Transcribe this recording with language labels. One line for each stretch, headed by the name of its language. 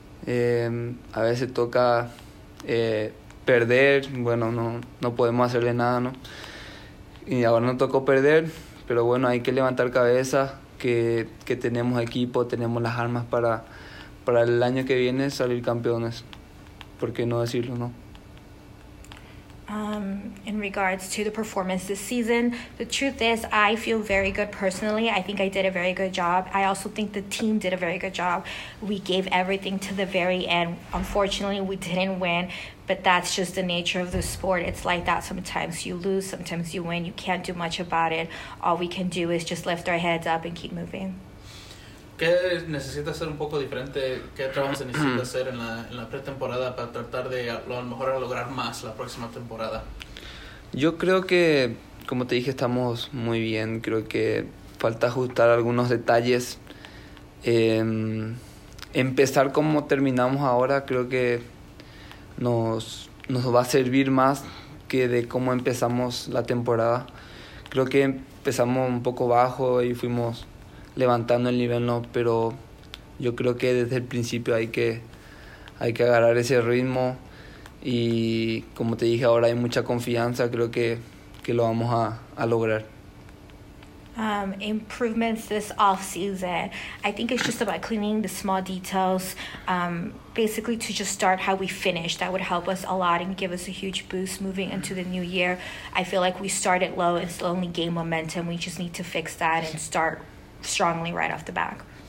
Spanish: A veces toca perder, bueno, no podemos hacerle nada, ¿no? Y ahora no tocó perder, pero bueno, hay que levantar cabeza, que tenemos equipo, tenemos las armas para el año que viene salir campeones, ¿por qué no decirlo, no?
English: In regards to the performance this season, the truth is I feel very good personally. I think I did a very good job. I also think the team did a very good job. We gave everything to the very end. Unfortunately, we didn't win, but that's just the nature of the sport. It's like that. Sometimes you lose, sometimes you win. You can't do much about it. All we can do is just lift our heads up and keep moving.
Spanish: ¿Qué necesita hacer un poco diferente? ¿Qué trabajo se necesita hacer en la pretemporada para tratar de a lo mejor lograr más la próxima temporada? Yo creo que, como te dije, estamos muy bien. Creo que falta ajustar algunos detalles. Empezar como terminamos ahora creo que nos va a servir más que de cómo empezamos la temporada. Creo que empezamos un poco bajo y fuimos levantando el nivel, no, pero yo creo que desde el principio hay que agarrar ese ritmo y, como te dije, ahora hay mucha confianza, creo que lo vamos a lograr.
English: Improvements this off season. I think it's just about cleaning the small details, basically to just start how we finish. That would help us a lot and give us a huge boost moving into the new year. I feel like we started low and still only gained momentum. We just need to fix that and start strongly right off the back.